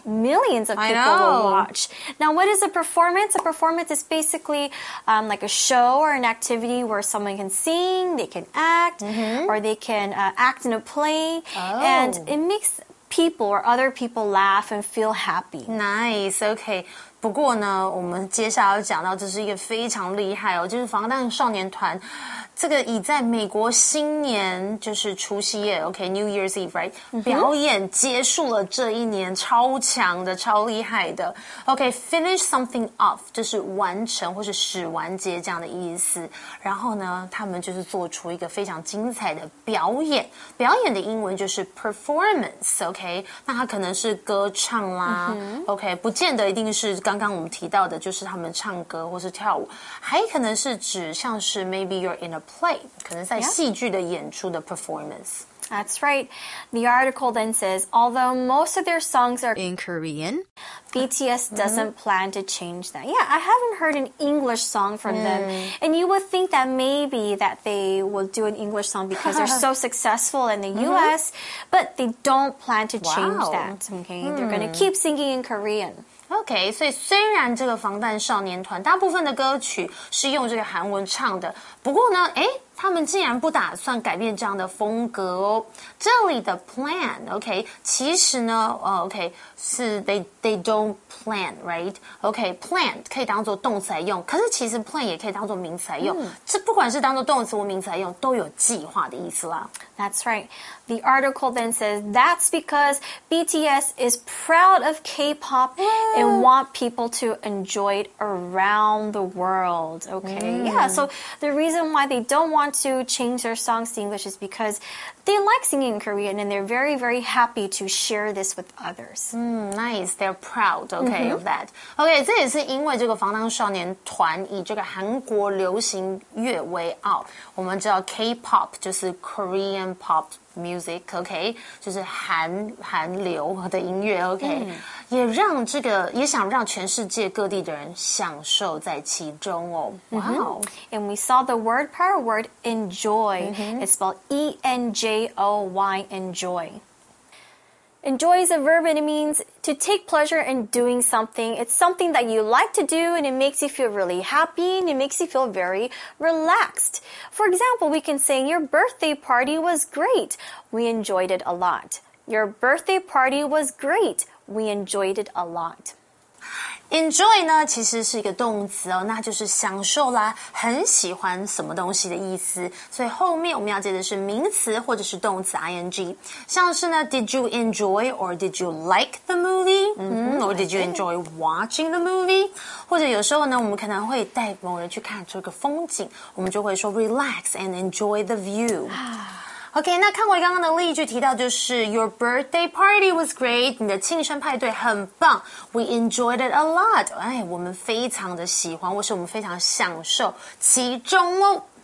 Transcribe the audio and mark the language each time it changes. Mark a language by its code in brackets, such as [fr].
[en] Millions of people will watch. Now, what is a performance? A performance is basically like a show or an activity where someone can sing, they can act, or they can act in a play. Oh. And it makes people or other people laugh and feel happy. Nice, okay. [zh] 不过呢，我们接下来要讲到这是一个非常厉害哦，就是防弹少年团。这个已在美国新年就是除夕夜 [en] okay, New Year's Eve, right? [zh] 表演结束了这一年超强的超厉害的 [en] okay, finish something off, [zh] 就是完成或是使完结这样的意思然后呢他们就是做出一个非常精彩的表演表演的英文就是 performance, okay? 那它可能是歌唱啦 okay, 不见得一定是刚刚我们提到的就是他们唱歌或是跳舞还可能是指像是 [en] maybe you're in a play, [zh] 可能在戏剧的演出的 performance. [en] That's right. The article then says, although most of their songs are in Korean, BTS doesn't plan to change that. Yeah, I haven't heard an English song from them. And you would think that maybe that they will do an English song because they're so successful in the US, but they don't plan to change that. Okay, they're going to keep singing in Korean. [zh] OK, 所以虽然这个防弹少年团大部分的歌曲是用这个韩文唱的不过呢诶他们竟然不打算改变这样的风格哦。这里的 plan, OK, 其实呢、OK, 是 [en] they don't plan, right? [zh] OK, plan 可以当作动词来用可是其实 plan 也可以当作名词来用、这不管是当作动词或名词来用都有计划的意思啦。 [en] That's right. The article then says, that's because BTS is proud of K-pop and want people to enjoy it around the world. Okay. Yeah, so the reason why they don't want to change their songs to English is because they like singing in Korean and they're very, very happy to share this with others. Nice. They're proud, okay, of that. [zh] Okay, 这也是因为这个防弹少年团以这个韩国流行乐为傲。我们知道 K-pop 就是 [en] Korean and pop music, [zh] okay, 就是韩流的音乐 okay, 也让这个也想让全世界各地的人享受在其中哦 [en] And we saw the word power word enjoy, it's spelled E-N-J-O-Y, enjoy. Enjoy is a verb and it means to take pleasure in doing something. It's something that you like to do and it makes you feel really happy and it makes you feel very relaxed. For example, we can say your birthday party was great. We enjoyed it a lot. Your birthday party was great. We enjoyed it a lot. [zh] Enjoy 呢其实是一个动词哦那就是享受啦很喜欢什么东西的意思。所以后面我们要接的是名词或者是动词 ,ing。像是呢 [en] ,did you enjoy or did you like the movie?、or did you enjoy watching the movie? [zh] 或者有时候呢我们可能会带某人去看这个风景我们就会说 [en] relax and enjoy the view. [zh] OK, 那看过刚刚的例句提到就是 [en] Your birthday party was great, [zh] 你的庆生派对很棒 [en] We enjoyed it a lot, [zh] 哎，我们非常的喜欢或是我们非常享受其中哦。